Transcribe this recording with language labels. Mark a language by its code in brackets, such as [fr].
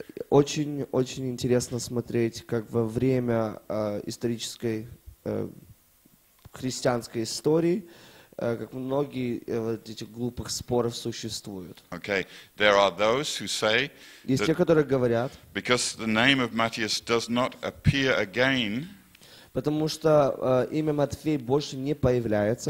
[ru] Очень-очень интересно смотреть, как во время исторической христианской истории, как многие вот этих глупых споров существуют. [en] Okay. There are those who say, [ru] есть те, которые говорят, [en] because the name of Matthias does not appear again, [ru] потому что имя Матфей больше не появляется,